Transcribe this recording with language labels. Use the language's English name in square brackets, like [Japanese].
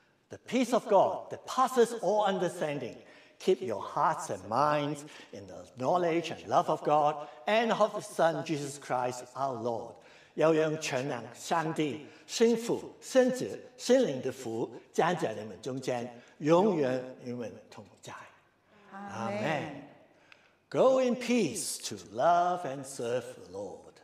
[English] The peace of God that passes all understanding, keep your hearts and minds in the knowledge and love of God and of His Son, Jesus Christ, our Lord. [Chinese] 要用全能上帝、圣父、圣子、圣灵的福加在你们中间，永远与你们同在。 [English] Amen. Go in peace to love and serve the Lord.